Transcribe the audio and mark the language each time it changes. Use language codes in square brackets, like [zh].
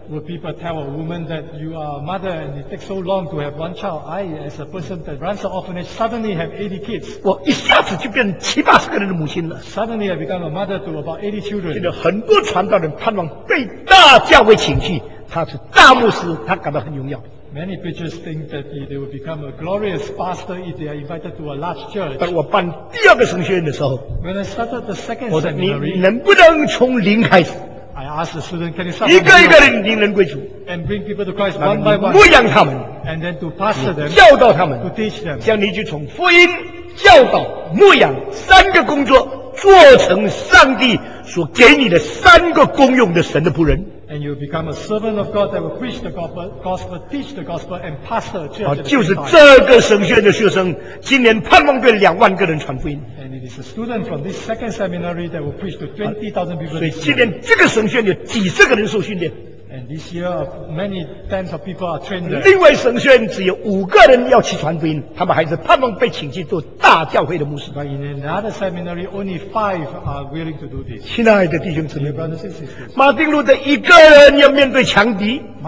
[en] Would people tell a woman that you are a mother and it takes so long to have one child? I, as a person that runs an orphanage, suddenly have 80 kids. [zh] 我一下子就变成70-80个人的母亲了。 [en] Suddenly I become a mother to about 80 children. [zh] 现在很多传道人盼望被大教会请去，他是大牧师，他感到很荣耀。 [en] Many preachers think that they will become a glorious pastor if they are invited to a large church. [zh] 但我办第二个神学院的时候 [en] ，When I started the second seminary, [zh] 你能不能从零开始 [en] ？I asked the student, can you start? [zh] 一个一个人领人归主 [en] ，and bring people to Christ one by one. [zh] 牧养他们 [en] ，and then to pastor them, [zh] 教导他们 [en] ，to teach them. [zh] 将你就从福音、教导、牧养三个工作做成上帝所给你的三个功用的神的仆人。 [en] And you become a servant of God that will preach the gospel, teach the gospel, and pastor a church. [zh] 就是这个神学院的学生，今年盼望对20,000个人传福音。 [en] And it is a student from this second seminary that will preach to 20,000 people. [zh] 所以今年这个神学院有几十个人受训练。 [en] And this year, many tens of people are trained. [zh] 另外神学院只有5个人要去传福音，他们还是盼望被请去做大教会的牧师。 [en] But in another seminary, only 5 are willing to do this. [zh] 亲爱的弟兄姊妹 [en] ，brothers and sisters, [zh] 马丁路德一个人要面对强敌，